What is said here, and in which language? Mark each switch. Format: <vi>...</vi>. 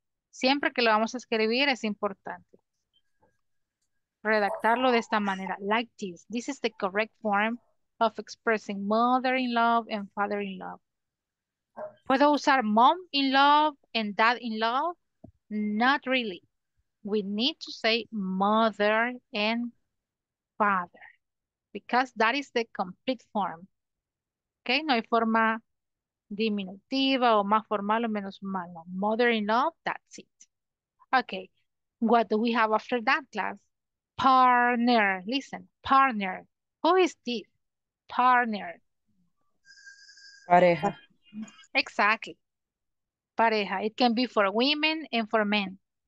<es>Siempre que lo vamos a escribir es importante redactarlo de esta manera.</es> <en>Like this. This is the correct form of expressing mother-in-law and father-in-law.</en> <es>¿Puedo usar</es> <en>mom in love and dad in love? Not really. We need to say mother and father because that is the complete form.</en> <es>Okay, no hay forma diminutiva o más formal o menos malo.</es> <en>Mother in love, that's it. Okay, what do we have after that class? Partner. Listen, partner. Who is this? Partner.</en> <es>Pareja.</es> <en>Exactly. Pareja. It can be for women and for men.</en>